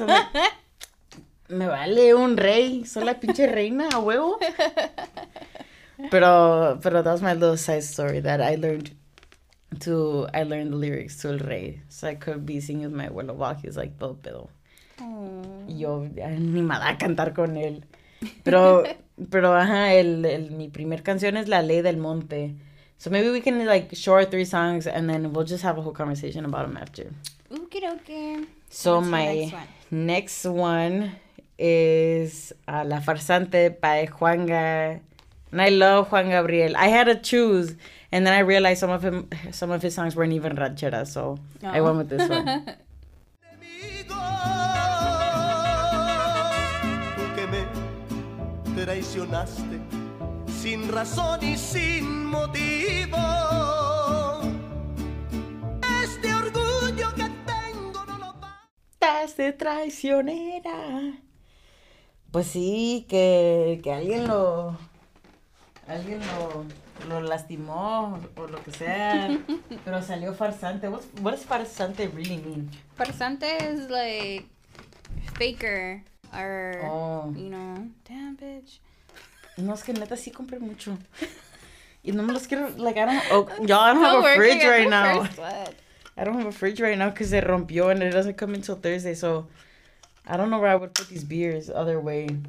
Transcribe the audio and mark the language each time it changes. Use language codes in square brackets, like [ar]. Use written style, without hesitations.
[en] I'm like, [es] me vale un rey, soy la pinche reina, a huevo. Pero [en] that was my little side story that I learned the lyrics to El Rey. So I could be singing with my abuelo while he's like, [es] todo pedo. Yo, animada a cantar con él. Pero, ajá, mi primer canción es La Ley del Monte. [en] So maybe we can, like, show our three songs and then we'll just have a whole conversation about them after. Okie dokie. So what's my next one is La Farsante by Juanga. And I love Juan Gabriel. I had to choose. And then I realized some of his songs weren't even rancheras. So oh. I went with this one. [es] Me traicionaste sin razón y sin motivo. Este orgullo que tengo no lo pagas de traicionera. Pues sí, que alguien lo lastimó o lo que sea, pero salió farsante. [en] What does farsante really mean? Farsante is like faker or you know, damn bitch. [es] No, es que neta sí compré mucho. Y no me los quiero, like, [en] I don't have a fridge right now. I don't have a fridge right now because it [es] rompió [en] and it doesn't come until Thursday, so I don't know where I would put these beers other way.